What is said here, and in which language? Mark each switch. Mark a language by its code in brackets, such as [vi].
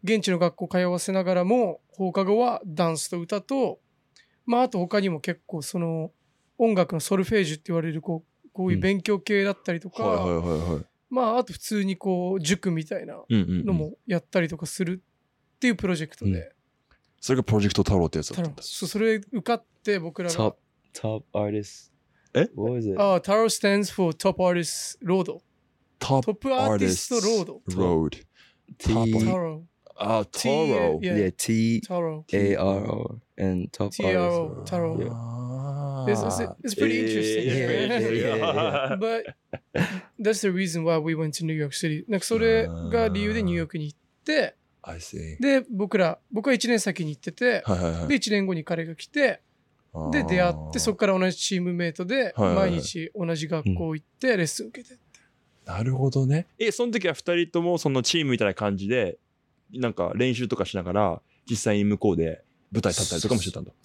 [ja] 現地の学校通わせながらも放課後はダンスと歌と、まあ、あと他にも結構その音楽のソルフェージュって言われるこういう勉強系だったりとか、まああと普通にこう塾みたいなのもやったりとかするっていうプロジェクトで、うんうんうん、それがプロジェクト太郎ってやつだったんです。それ受かって僕らが [en] Top Artist え What is it? あ、タロー stands for Top Artist Road Top トップアーティストロード Road T タロー、あ、タロー、 yeah. yeah, T タロー A-R-O and Top T-R-O, Artist T-R-O, タロー、 yeah. It's pretty interesting. Yeah, yeah, yeah, yeah, yeah. But that's the reason why we went to New York City. [ja] なんかそれが理由でニューヨークに行って、 [en] I see. [ja] で、僕は1年先に行ってて、はいはいはい、で、1年後に彼が来て、で、出会って、そこから同じチームメートで、毎日同じ学校行って、レッスン受けてって、はいはいはい、うん。なるほどね。え、その時は2人ともそのチームみたいな感じで、なんか練習とかしながら、実際に向こうで舞台立ったりとかもしてたんだ。